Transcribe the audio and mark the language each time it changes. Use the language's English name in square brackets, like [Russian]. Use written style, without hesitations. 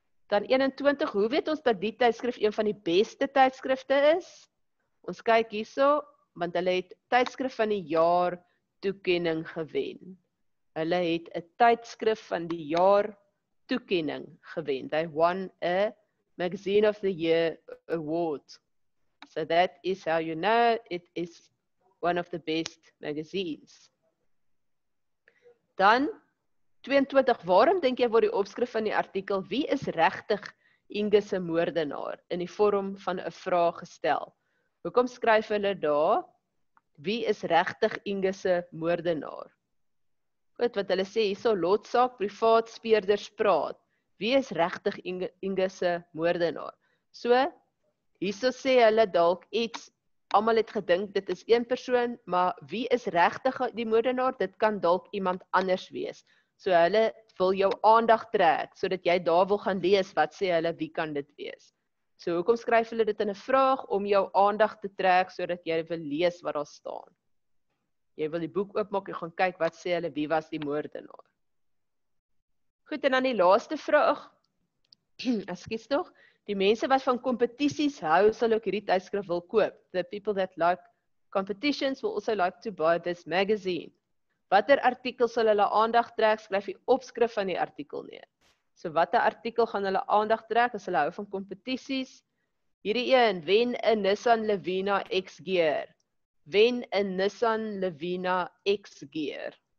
[Afrikaans] Dan 21, hoe weet ons dat die tydskrif een van die beste tydskrifte is? Ons kyk hierso, want hulle het tydskrif van die jaar toekenning gewen. Hulle het 'n tydskrif van die jaar toekenning gewen. [English] They won a Magazine of the Year award. So that is how you know it is one of the best magazines. [Afrikaans] Dan 22, waarom denk jy word die opskrif van die artikel, wie is regtig Inge se moordenaar, in die vorm van 'n vraag gestel? Hoekom skryf hulle daar, wie is regtig Inge se moordenaar? Goed, wat hulle sê, hierso lotsaak, privaat speerders praat. Wie is regtig Inge se moordenaar? So, hierso sê hulle dalk iets, almal het gedink, dit is een persoon, maar wie is regtig die moordenaar, dit kan dalk iemand anders wees. So hulle wil jou aandag trek, so dat jy daar wil gaan lees, wat sê hulle, wie kan dit wees? So hoekom skryf hulle dit in 'n vraag, om jou aandag te trek, so dat jy wil lees wat daar staan? Jy wil die boek oopmaak, jy gaan kyk, wat sê hulle, wie was die moordenaar? Goed, en dan die laaste vraag, excuse toch, die mense wat van competities hou, sal ook hierdie tydskrif wil koop. [English] The people that like competitions will also like to buy this magazine. [Afrikaans] Wat artikel sal hulle aandag trek, skryf die opskrif van die artikel neer. So wat artikel gaan hulle aandag trek, as hulle hou van competities? Hierdie een, wen 'n Nissan Livina X-Gear. Wen 'n Nissan Livina X-Gear.